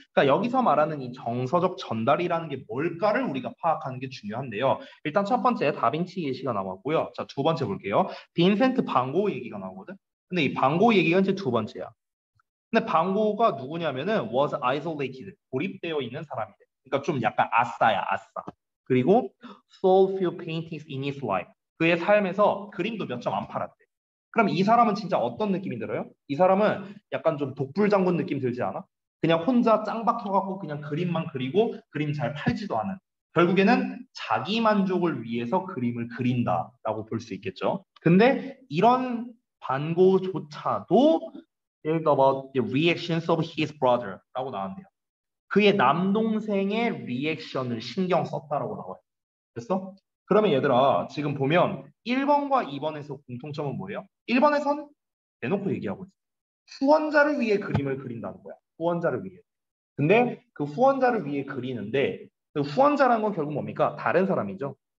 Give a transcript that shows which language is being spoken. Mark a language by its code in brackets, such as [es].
[ko] 그러니까 여기서 말하는 이 정서적 전달이라는 게 뭘까를 우리가 파악하는 게 중요한데요. 일단 첫 번째 다빈치 예시가 나왔고요. 자, 두 번째 볼게요. 빈센트 반 고흐 얘기가 나오거든. 근데 이반 고흐 얘기가 이제 두 번째야. 근데 반 고흐가 누구냐면은 [en] was isolated, [ko] 고립되어 있는 사람이래. 그러니까 좀 약간 아싸야, 아싸. 그리고 [en] sold few paintings in his life. [ko] 그의 삶에서 그림도 몇점안 팔았대. 그럼 이 사람은 진짜 어떤 느낌이 들어요? 이 사람은 약간 좀 독불장군 느낌 들지 않아? 그냥 혼자 짱박혀갖고 그냥 그림만 그리고 그림 잘 팔지도 않은. 결국에는 자기 만족을 위해서 그림을 그린다라고 볼수 있겠죠? 근데 이런 반고조차도 [en] Think about the reactions of his brother [ko] 라고 나왔네요. 그의 남동생의 리액션을 신경 썼다라고 나와요. 됐어? 그러면 얘들아, 지금 보면 1번과 2번에서 공통점은 뭐예요? 1번에선 대놓고 얘기하고 있어요. 후원자를 위해 그림을 그린다는 거야. 후원자를 위해. 근데 그 후원자를 위해 그리는데 그 후원자라는 건 결국 뭡니까? 다른 사람이죠.